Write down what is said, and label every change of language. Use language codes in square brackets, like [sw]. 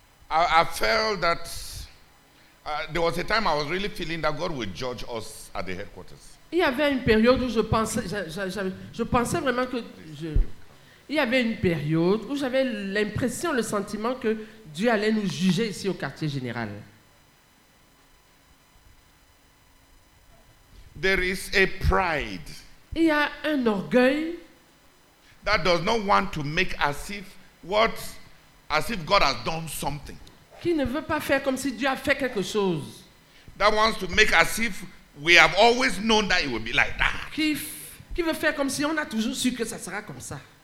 [en] I felt that there was a time I was really feeling that God would judge us at the headquarters. [fr] Il y avait une période où je pensais vraiment que je il y avait une période où j'avais l'impression, le sentiment que Dieu allait nous juger ici au quartier général. [en] There is a pride. [fr] Il y a un orgueil. [en] That does not want to make as if God has done something. [fr] Qui ne veut pas faire comme si Dieu a fait quelque chose. [en] That wants to make as if we have always known that it would be like that. [fr] Qui veut faire comme si on a toujours su que ça sera comme ça.